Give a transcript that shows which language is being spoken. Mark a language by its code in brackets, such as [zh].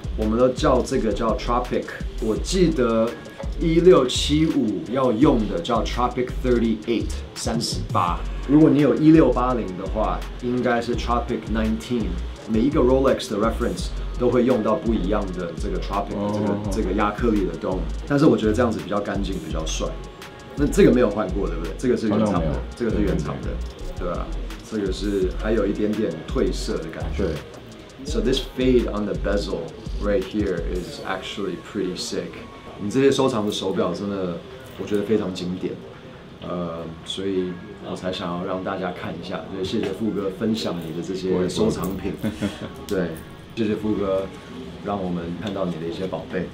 [zh] 我们都叫这个叫 Tropic， 我记得1675要用的叫 Tropic 38 38，如果你有1680的话应该是 Tropic 19，每一个 Rolex 的 reference 都会用到不一样的这个 Tropic 的这个亚克力的 Dome， 但是我觉得这样子比较干净比较帅。那这个没有换过对不对？这个是原厂的，这个是原厂的，对吧、啊、这个是还有一点点褪色的感觉。 [en] So this fade on the bezel right here is actually pretty sick. [zh] 你这些收藏的手表真的我觉得非常经典，所以我才想要让大家看一下。所以谢谢富哥分享你的这些收藏品。对，谢谢富哥让我们看到你的一些宝贝。